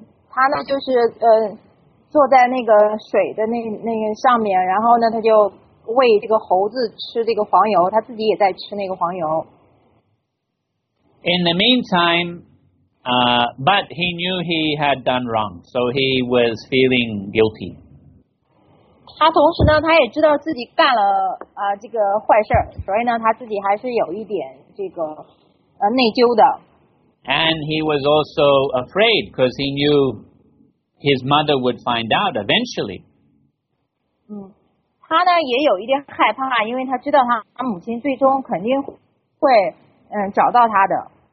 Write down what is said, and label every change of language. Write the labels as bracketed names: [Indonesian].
[Chinese] 他呢就是坐在那个水的那个上面，然后呢他就。喂这个猴子吃这个黄油，他自己也在吃那个黄油。 [English] In the meantime, but he knew he had done wrong, so he was feeling guilty. [Chinese] 他同时呢，他也知道自己干了这个坏事，所以呢，他自己还是有一点这个内疚的。 [English] And he was also afraid because he knew his mother would find out eventually. [Chinese] 他呢也有一点害怕，因为他知道他母亲最终肯定会找到他的。